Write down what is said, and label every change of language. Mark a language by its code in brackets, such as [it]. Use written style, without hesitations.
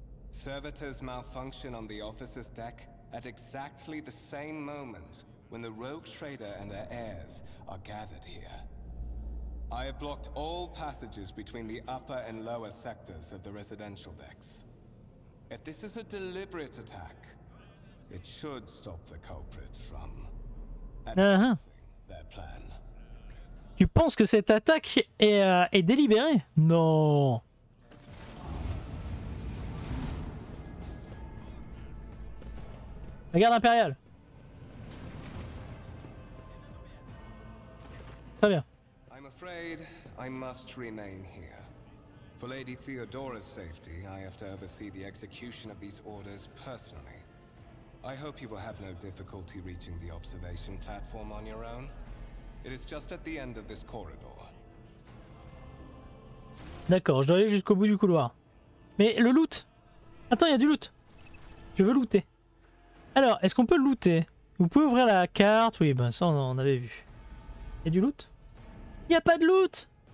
[en] Servitors malfunction on the officer's deck at exactly the same moment when the rogue trader and her heirs are gathered here. I have blocked all passages between the upper and lower sectors of the residential decks. If this is a deliberate attack, it should stop the culprits from their plan. [fr] Tu penses que cette attaque est délibérée? Non. La garde impériale. Très bien. [en] I'm afraid I must remain here. For Lady Theodora's safety, I have to oversee the execution of these orders personally. I hope you will have no difficulty reaching the observation platform on your own. It is just at the end of this corridor. [fr] D'accord, je dois aller jusqu'au bout du couloir. Mais le loot! Attends, il y a du loot! Je veux looter. Alors, est-ce qu'on peut looter? Vous pouvez ouvrir la carte? Oui, ben ça on avait vu. Il y a du loot? Il n'y a pas de loot!